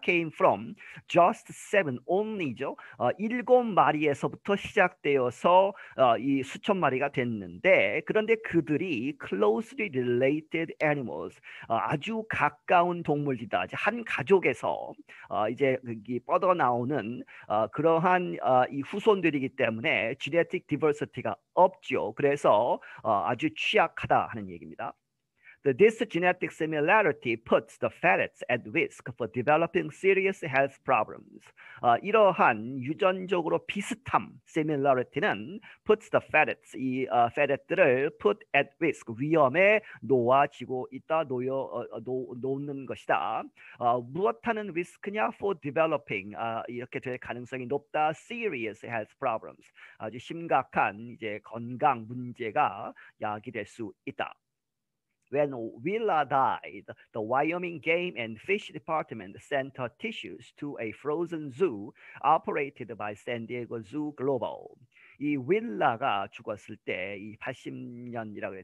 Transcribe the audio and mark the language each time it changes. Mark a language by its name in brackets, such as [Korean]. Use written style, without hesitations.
[English] Came from just 7 only [Korean] 죠. 7 마리에서부터 시작되어서 이 수천 마리가 됐는데 그런데 그 들이 [English] closely related animals, [Korean] 아주 가까운 동물이다. 한 가족에서 이제 뻗어 나오는 그러한 이 후손들이기 때문에 genetic diversity가 없죠. 그래서 아주 취약하다 하는 얘기입니다. [English] This genetic similarity puts the ferrets at risk for developing serious health problems. [Korean] 이러한 유전적으로 비슷함, similarity는 [English] puts the ferrets, [Korean] 이 ferrets들을 [English] put at risk, [Korean] 위험에 놓아지고 있다, 놓는 것이다. 무엇하는 risk냐? [English] For developing, [Korean] 이렇게 될 가능성이 높다, [English] serious health problems. [Korean] 아주 심각한 이제 건강 문제가 야기될 수 있다. [English] When Willa died, the Wyoming Game and Fish Department sent her tissues to a frozen zoo operated by San Diego Zoo Global. [Korean] 이 윌라가 죽었을 때, 이 80년이라고 해요.